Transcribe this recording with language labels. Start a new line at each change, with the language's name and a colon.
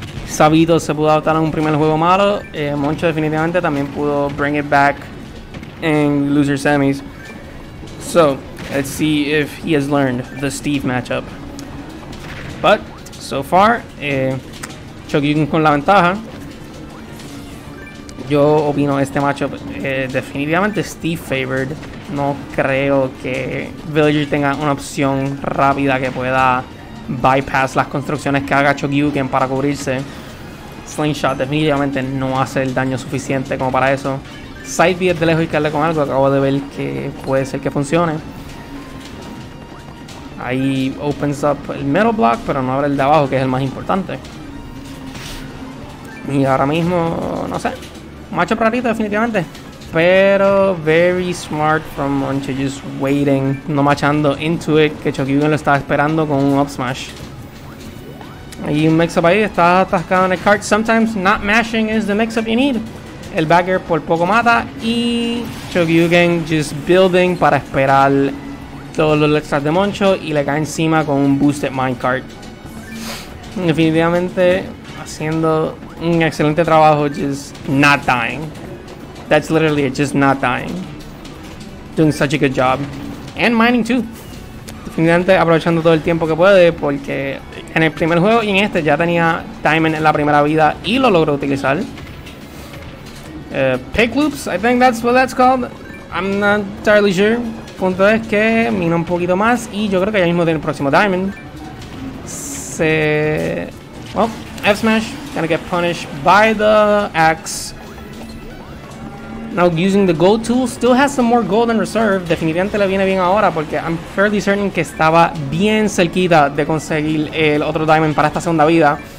Spanish: sabido se pudo adaptar a un primer juego malo, Moncho definitivamente también pudo
English: bring it back
Spanish: en loser semis.
English: So, let's see if he has learned the Steve matchup. But, so far, Chokeyuken
Spanish: con la ventaja. Yo opino este matchup definitivamente Steve favored. No creo que Villager tenga una opción rápida que pueda bypass las construcciones que haga Chokeyuken para cubrirse. Slingshot definitivamente no hace el daño suficiente como para eso. Side B de lejos y caerle con algo, acabo de ver que puede ser que funcione. Ahí
English: opens up
Spanish: el middle block, pero no abre el de abajo, que es el más importante. Y ahora mismo, no sé, macho rarito definitivamente. Pero
English: very smart from Moncho, just waiting,
Spanish: no machando into it, que Chokeyuken lo estaba esperando con un up smash. Y un mix-up ahí, está atascado en el cart.
English: Sometimes not mashing is the mix-up you need.
Spanish: El backer por poco mata y Chokeyuken
English: just building
Spanish: para esperar todos los extras de Moncho y le cae encima con un boosted minecart. Definitivamente haciendo un excelente trabajo,
English: just not dying. That's literally it, just not dying. Doing such a good job. And mining too.
Spanish: Definitivamente aprovechando todo el tiempo que puede, porque en el primer juego y en este ya tenía diamond en la primera vida y lo logró utilizar.
English: Pick loops, I think that's what that's called. I'm not entirely sure.
Spanish: Punto es que mina un poquito más y yo creo que ya mismo tiene el próximo diamond.
English: Se... Well, F-Smash, gonna get punished by the axe. Now using the gold tool, still has some more gold in reserve.
Spanish: Definitivamente le viene bien ahora porque
English: I'm fairly certain
Spanish: que estaba bien cerquita de conseguir el otro diamond para esta segunda vida.